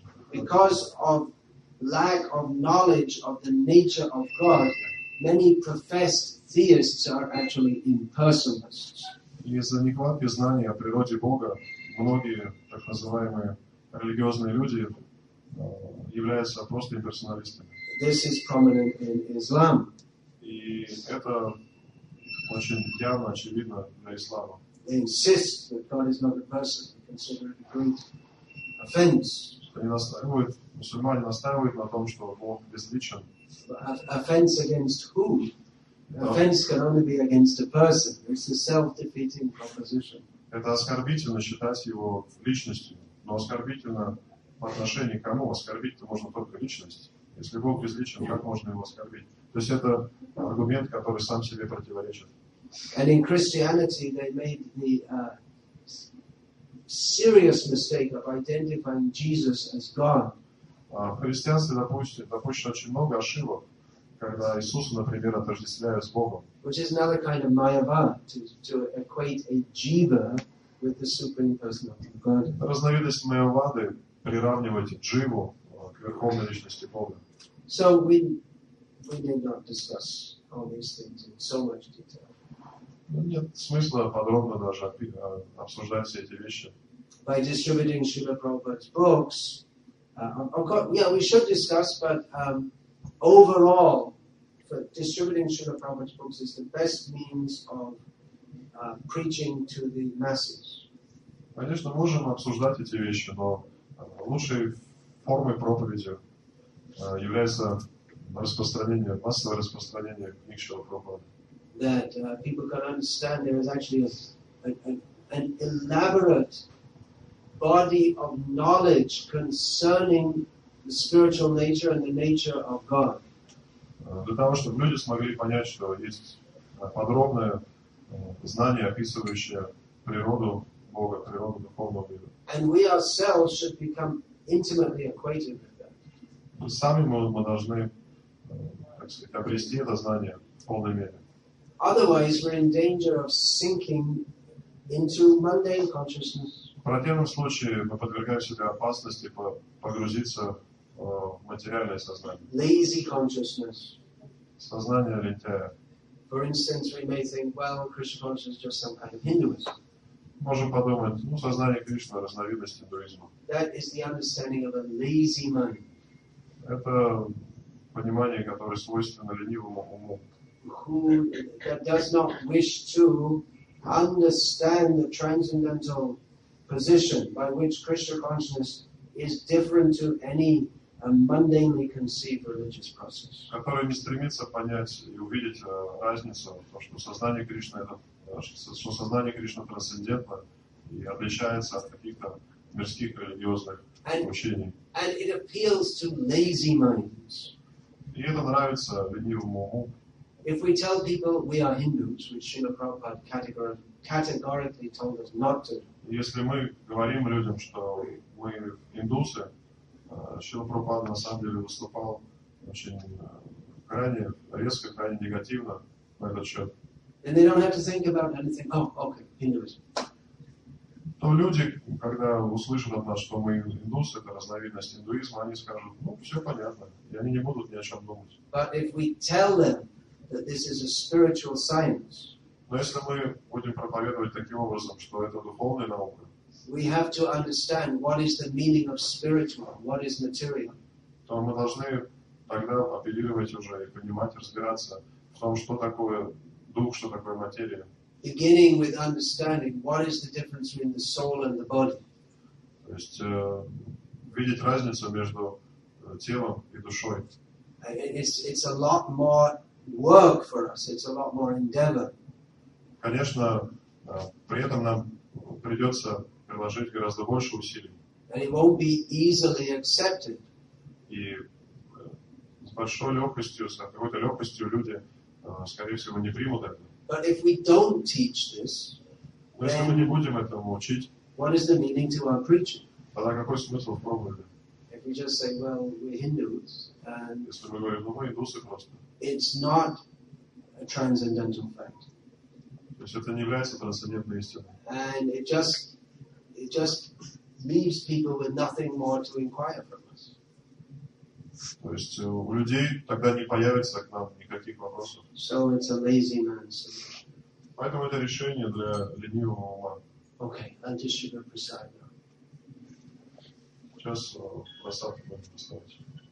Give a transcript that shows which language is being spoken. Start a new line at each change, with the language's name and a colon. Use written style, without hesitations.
English: Because of lack of knowledge of the nature of God, many professed theists are actually impersonalists.
Russian: Из-за нехватки знания о природе Бога, многие так называемые религиозные люди являются просто имперсоналистами.
English: This is prominent in Islam.
Russian: И это очень явно очевидно для ислама.
English: They insist that God is not a person, they consider it a great offense.
Russian: Они настаивают, мусульмане настаивают на том, что Бог безличен.
English: Offense against whom? Yeah. Offense can only be against a person. It's a self-defeating proposition.
Russian: Это оскорбительно считать его личностью, но оскорбительно по отношению к кому? Оскорбить-то можно только личность. Если Бог безличен, как можно его оскорбить? То есть это аргумент, который сам себе противоречит.
English: And in Christianity they made the serious mistake of identifying Jesus as God.
Russian: В христианстве допущено очень много ошибок, когда Иисуса, например, отождествляют с Богом.
English: Which is another kind of mayavad, to equate a jiva with the supreme personality of God.
Russian: Разновидность майявады приравнивать дживу к верховной личности Бога.
English: So we did not discuss all these things in so much detail.
Russian: Нет смысла подробно даже обсуждать все эти вещи.
English: By distributing Srila Prabhupada's books, we should discuss, but overall, for distributing Srila Prabhupada's books is the best means of preaching to the masses.
Russian: Конечно, можем обсуждать эти вещи, но лучше формой проповеди является распространение, массовое распространение книг Шрилы Прабхупады.
English: That people can understand there is actually an elaborate body of knowledge concerning the spiritual nature and the nature of God.
Russian: Для того, чтобы люди смогли понять, что есть подробное знание, описывающее природу Бога, природу духовного мира.
English: And we ourselves should become intimately acquainted with that.
Russian: Мы сами мы должны, так сказать, обрести это знание в полной мере.
English: Otherwise, we're in danger of sinking into mundane consciousness.
Russian: В противном случае мы подвергаем себя опасности погрузиться материальное сознание.
English: Lazy consciousness.
Russian: Сознание лентяя.
English: For instance, we may think, well, Krishna consciousness is just some kind of Hinduism.
Russian: Можем подумать, ну, сознание Кришны — разновидность индуизма.
English: That is the understanding of a lazy mind.
Russian: Это понимание, которое свойственно ленивому уму.
English: Who that does not wish to understand the transcendental position by which Krishna consciousness is different to any mundanely conceived religious process.
Russian: Который не стремится понять и увидеть разницу, то, что сознание Кришны — это, что сознание Кришны трансцендентно и отличается от каких-то мирских религиозных учений.
English: And it appeals to lazy minds.
Russian: И это нравится ленивому уму.
English: If we tell people we are Hindus, which Srila Prabhupada categorically told us not to.
Russian: Если мы говорим людям, что мы индусы, Шрила Прабхупада на самом деле выступал очень крайне резко, крайне негативно на этот счет.
English: And they don't have to think about anything. Oh, okay, Hinduism.
Russian: То люди, когда услышат от нас, что мы индусы, это разновидность индуизма, они скажут, ну, все понятно, и они не будут ни о чем думать.
English: But if we tell them that this is a spiritual science,
Russian: но если мы будем проповедовать таким образом, что это духовная наука,
English: we have to understand what is the meaning of spiritual, what is material.
Russian: То мы должны тогда апеллировать уже и понимать, разбираться в том, что такое дух, что такое материя.
English: Beginning with understanding what is the difference between the soul and the body.
Russian: То есть видеть разницу между телом и душой.
English: It's a lot more work for us. It's a lot more endeavor.
Russian: Конечно, при этом нам придется приложить гораздо больше усилий.
English: And it won't be easily accepted.
Russian: И с большой легкостью, с какой-то легкостью люди, скорее всего, не примут это.
English: But if we don't teach this,
Russian: но если мы не будем этому учить,
English: what is the meaning to our preaching?
Russian: Тогда какой смысл в проповеди?
English: If we just say, well, we're Hindus, and
Russian: если мы говорим, ну, мы индусы просто,
English: it's not a transcendental fact.
Russian: То есть это не является трансцендентной истиной.
English: And it just leaves people with nothing more to inquire from us.
Russian: То есть у людей тогда не появится к нам никаких вопросов.
English: So it's a lazy man's solution.
Russian: Поэтому это решение для ленивого ума.
English: Okay, I'll just give a prasad now.
Russian: Сейчас прасад будем поставить.